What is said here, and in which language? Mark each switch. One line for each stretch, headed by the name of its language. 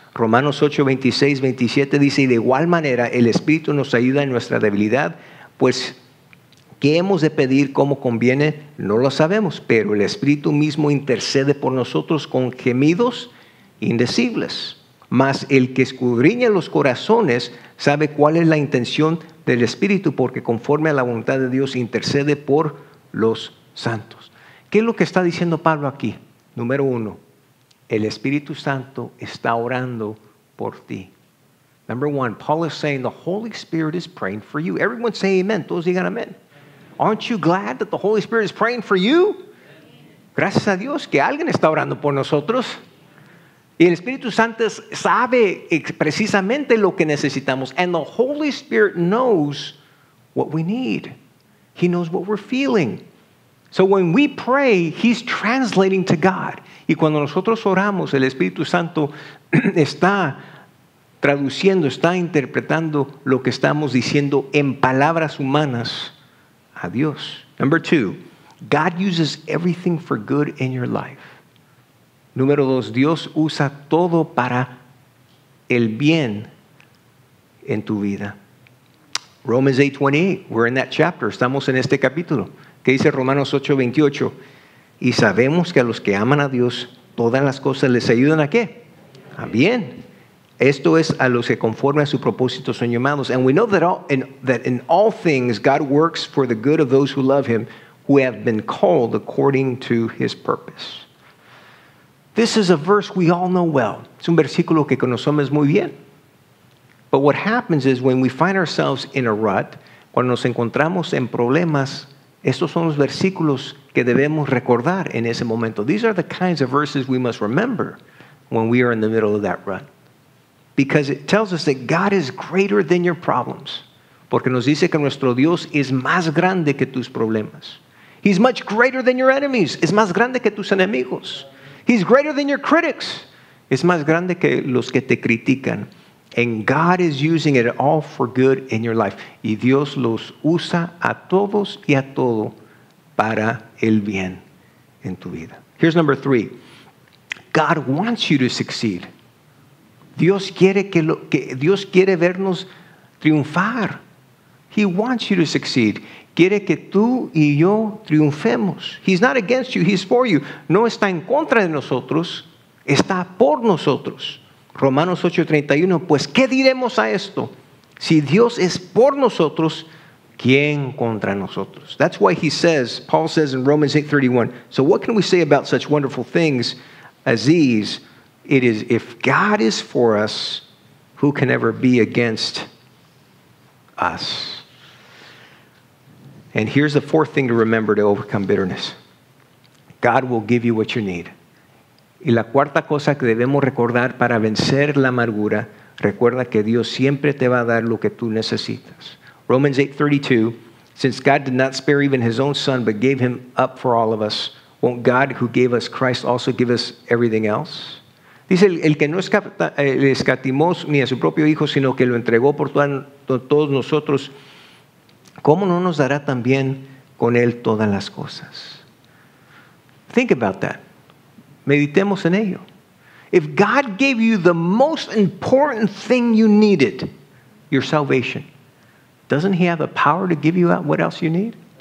Spanish: Romanos 8, 26, 27 dice, y de igual manera, el Espíritu nos ayuda en nuestra debilidad, pues, ¿qué hemos de pedir como conviene? No lo sabemos, pero el Espíritu mismo intercede por nosotros con gemidos indecibles. Mas el que escudriña los corazones sabe cuál es la intención del Espíritu, porque conforme a la voluntad de Dios intercede por los santos. ¿Qué es lo que está diciendo Pablo aquí? Número uno, el Espíritu Santo está orando por ti.
English: Number one, Paul is saying the Holy Spirit is praying for you. Everyone say amen.
Spanish: Todos digan amén.
English: Aren't you glad that the Holy Spirit is praying for you?
Spanish: Gracias a Dios que alguien está orando por nosotros. Y el Espíritu Santo sabe precisamente lo que necesitamos.
English: And the Holy Spirit knows what we need. He knows what we're feeling. So when we pray, he's translating to God.
Spanish: Y cuando nosotros oramos, el Espíritu Santo está traduciendo, está interpretando lo que estamos diciendo en palabras humanas a Dios.
English: Number two, God uses everything for good in your life.
Spanish: Número dos, Dios usa todo para el bien en tu vida.
English: Romans 8, 28, we're in that chapter,
Spanish: estamos en este capítulo. ¿Qué dice Romanos 8, 28? Y sabemos que a los que aman a Dios, todas las cosas les ayudan ¿a qué? A bien. Esto es a los que conforme a su propósito son llamados.
English: And we know that in all things, God works for the good of those who love him, who have been called according to his purpose. This is a verse we all know well.
Spanish: Es un versículo que conocemos muy bien.
English: But what happens is when we find ourselves in a rut,
Spanish: cuando nos encontramos en problemas, estos son los versículos que debemos recordar en ese momento.
English: These are the kinds of verses we must remember when we are in the middle of that rut. Because it tells us that God is greater than your problems.
Spanish: Porque nos dice que nuestro Dios es más grande que tus problemas.
English: He's much greater than your enemies.
Spanish: Es más grande que tus enemigos.
English: He's greater than your critics.
Spanish: Es más grande que los que te critican.
English: And God is using it all for good in your life.
Spanish: Y Dios los usa a todos y a todo para el bien en tu vida.
English: Here's number three. God wants you to succeed.
Spanish: Dios quiere Dios quiere vernos triunfar.
English: He wants you to succeed.
Spanish: Quiere que tú y yo triunfemos.
English: He's not against you, he's for you.
Spanish: No está en contra de nosotros, está por nosotros. Romanos 8:31, pues ¿qué diremos a esto? Si Dios es por nosotros, ¿quién contra nosotros?
English: That's why he says, Paul says in Romans 8:31, so what can we say about such wonderful things as these? It is, if God is for us, who can ever be against us? And here's the fourth thing to remember to overcome bitterness. God will give you what you need.
Spanish: Y la cuarta cosa que debemos recordar para vencer la amargura, recuerda que Dios siempre te va a dar lo que tú necesitas.
English: Romans 8:32, since God did not spare even his own son, but gave him up for all of us, won't God who gave us Christ also give us everything else?
Spanish: Dice, el que no escatimó ni a su propio hijo, sino que lo entregó por todos nosotros, ¿cómo no nos dará también con él todas las cosas?
English: Think about that.
Spanish: Meditemos en ello.
English: If God gave you the most important thing you needed, your salvation, doesn't he have the power to give you what else you need?